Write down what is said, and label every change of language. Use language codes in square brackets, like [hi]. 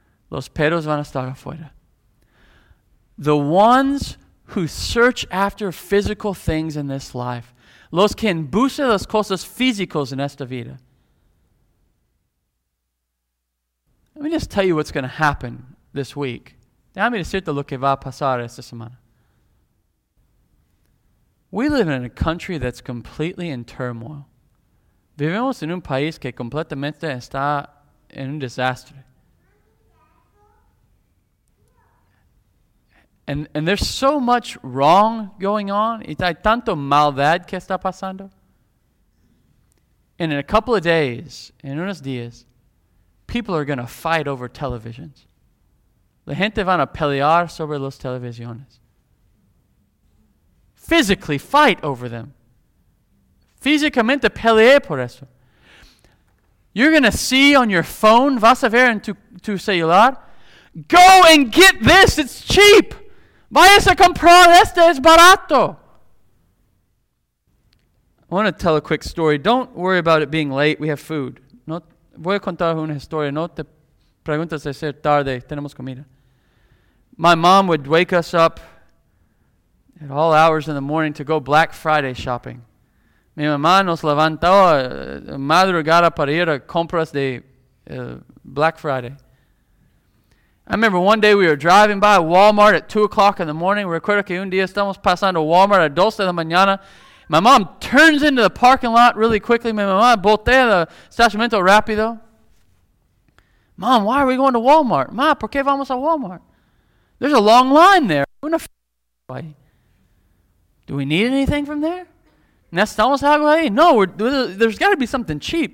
[es] Los perros van a estar afuera. [en] The ones who search after physical things in this life, [es] los que buscan las cosas físicas en esta vida. [en] Let me just tell you what's going to happen this week. [es] Déjame decirte lo que va a pasar esta semana. [en] We live in a country that's completely in turmoil. [es] Vivimos en un país que completamente está en un desastre. [en] And there's so much wrong going on. [es] Y hay tanto maldad que está pasando. [en] And in a couple of days, [es] en unos días, [en] people are going to fight over televisions. [es] La gente van a pelear sobre los televisiones. [en] Physically fight over them. [es] Físicamente pelear por eso. [en] You're going to see on your phone, [es] vas a ver en tu celular, [en] go and get this, it's cheap. [es] Vayas a comprar, este es barato. [en] I want to tell a quick story. Don't worry about it being late, we have food. [es] No, voy a contar una historia, no te preguntes de ser tarde, tenemos comida. [en] My mom would wake us up at all hours in the morning to go Black Friday shopping. [es] Mi mamá nos levantó a madrugada para ir a compras de Black Friday. [en] I remember one day we were driving by Walmart at 2 o'clock in the morning. [es] Recuerdo que un día estamos pasando Walmart a 2 de la mañana. [en] My mom turns into the parking lot really quickly. [es] Mi mamá voltea el estacionamiento rápido. [en] Mom, why are we going to Walmart? [es] Ma, ¿por qué vamos a Walmart? [en] There's a long line there. [es] Una fila. [en] Do we need anything from there? [es] ¿Necesitamos algo ahí? [en] No, there's got to be something cheap.